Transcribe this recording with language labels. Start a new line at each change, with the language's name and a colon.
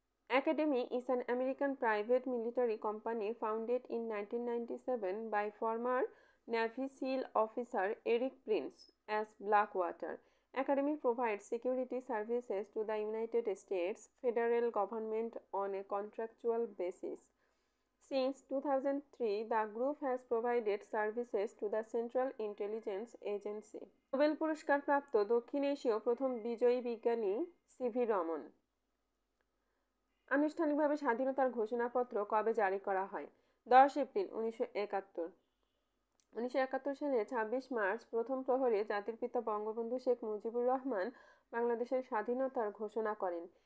English: Academi is an American private military company founded in 1997 by former navy SEAL officer Erik Prince as Blackwater. Academi provide security services to the United States federal government on a contractual basis. Since 2003, the group has provided services to the Central Intelligence Agency.
Bangla: Nobel পুরস্কার প্রাপ্ত দক্ষিণ এশীয় প্রথম বিজয়ী বিজ্ঞানী CV Raman. আনুষ্ঠানিকভাবে স্বাধীনতার ঘোষণাপত্র কবে জারি করা হয়? 10 এপ্রিল 1971। 1971 সালে 26 মার্চ প্রথম প্রহরে জাতির পিতা বঙ্গবন্ধু শেখ মুজিবুর রহমান বাংলাদেশের স্বাধীনতার ঘোষণা করেন।